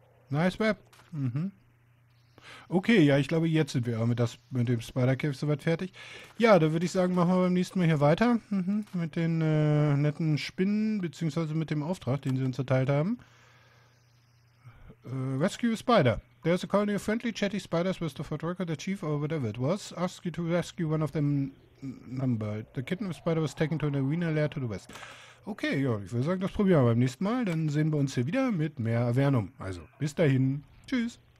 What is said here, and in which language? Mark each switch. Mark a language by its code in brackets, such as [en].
[en] Nice Web. Mhm. [de] Okay, ja, ich glaube, jetzt sind wir auch mit dem Spider-Cave soweit fertig. Ja, da würde ich sagen, machen wir beim nächsten Mal hier weiter. Mit den netten Spinnen, beziehungsweise mit dem Auftrag, den sie uns erteilt haben. [en] Rescue a Spider. There's a colony of friendly, chatty spiders with the Fort Worker, the chief, or whatever it was. Ask you to rescue one of them number. The kitten of Spider was taken to an arena lair to the west. [de] Okay, ja, ich würde sagen, das probieren wir beim nächsten Mal. Dann sehen wir uns hier wieder mit mehr Avernum. Also, bis dahin. Tschüss.